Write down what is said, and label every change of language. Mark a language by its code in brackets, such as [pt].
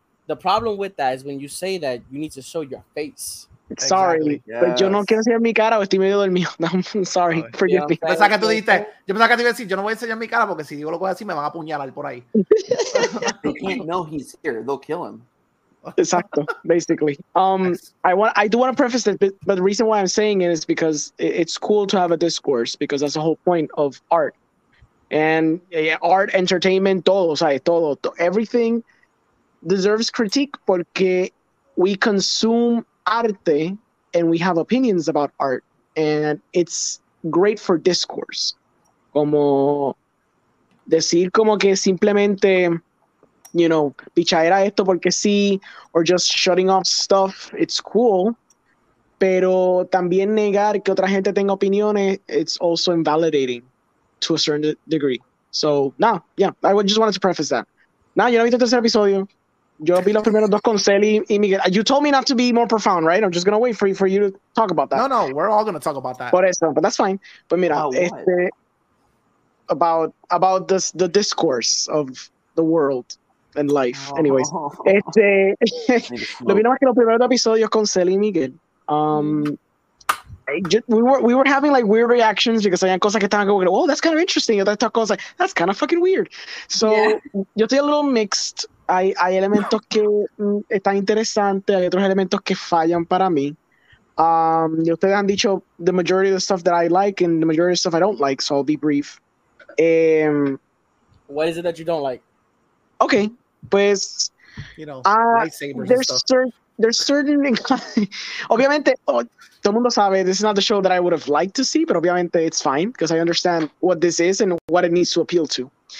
[en] The problem with that is when you say that, you need to show your face. Sorry, exactly. [es] Yes. Pero yo no quiero enseñar mi cara o estoy medio dormido. [en] No, I'm sorry, okay. Forgive me. [es] Pensaba que tú dijiste, yo pensaba que te iba a decir, yo no voy a enseñar mi cara porque si digo lo que voy a decir me van a apuñalar por ahí. [en] They can't know he's here. They'll kill him. [es] Exacto, basically. [en] I do want to preface it, but the reason why I'm saying it is because it's cool to have a discourse because that's the whole point of art. And art, entertainment, todo, o sea, todo, everything deserves critique porque we consume arte and we have opinions about art, and it's great for discourse. [es] Como decir como que simplemente, you know, pichadera esto porque sí, or just shutting off stuff, it's cool. Pero también negar que otra gente tenga opiniones, it's also invalidating to a certain degree. [en] So, no, yeah, I just wanted to preface that. [es] No, yo no vi el tercer episodio. Yo vi los primeros dos con Celi y Miguel. [en] You told me not to be more profound, right? I'm just going to wait for you to talk about that. No, no, we're all going to talk about that. Por eso, but that's fine. But mira, oh, este, about this, the discourse of the world and life. Oh. [es] Anyways, este, lo vi nomás que los primeros dos episodios con Celi y Miguel. [en] We were having like weird reactions because I had cosas que estaban going, oh, that's kind of interesting. And I thought, like, that's kind of fucking weird. So, yeah. Yo estoy a little mixed. [es] Hay elementos que están interesantes, hay otros elementos que fallan para mí. [en] Ustedes han dicho the majority of the stuff that I like and the majority of the stuff I don't like, so I'll be brief. What is it that you don't like? [es] Okay, pues, [en] you know, lightsabers and stuff. There's certain, obviamente, oh, todo mundo sabe, this is not the show that I would have liked to see, but obviamente it's fine, because I understand what this is and what it needs to appeal to.